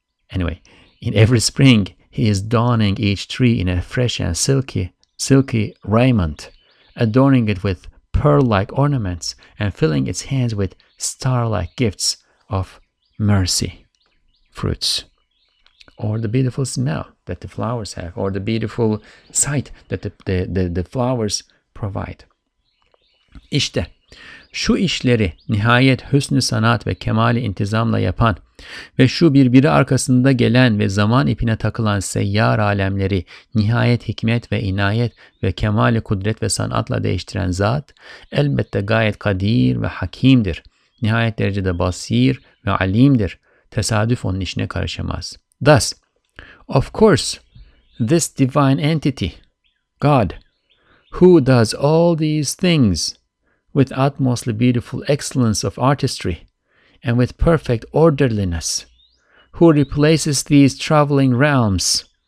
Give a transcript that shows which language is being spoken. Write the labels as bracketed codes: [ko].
[en] Anyway, in every spring, he is donning each tree in a fresh and silky raiment, adorning it with pearl-like ornaments and filling its hands with star-like gifts of mercy fruits, or the beautiful smell that the flowers have, or the beautiful sight that the flowers provide. [tr] İşte şu işleri nihayet hüsnü sanat ve kemali intizamla yapan ve şu birbiri arkasında gelen ve zaman ipine takılan seyyar alemleri nihayet hikmet ve inayet ve kemali kudret ve sanatla değiştiren zat elbette gayet kadir ve hakimdir. Nihayet derecede basir ve alimdir. Tesadüf onun işine karışamaz. [en] Thus, of course, this divine entity, God, who does all these things with utmostly beautiful excellence of artistry and with perfect orderliness, who replaces these traveling realms,